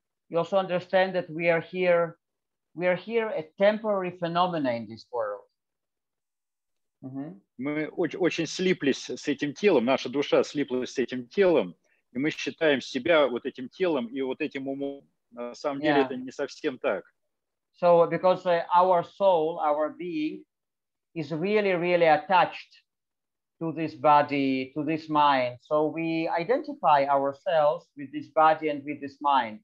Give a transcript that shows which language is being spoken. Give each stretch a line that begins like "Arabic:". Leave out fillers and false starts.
English: You also understand that we are here a temporary phenomenon in this world. Mm-hmm.
Russian: Мы очень слиплись с этим телом, наша душа слиплась с этим телом. И мы считаем себя вот этим телом и вот этим умом. На самом деле, это не совсем так.
English: So, because our soul, our being, is really, really attached to this body, to this mind. So, we identify ourselves with this body and with this mind.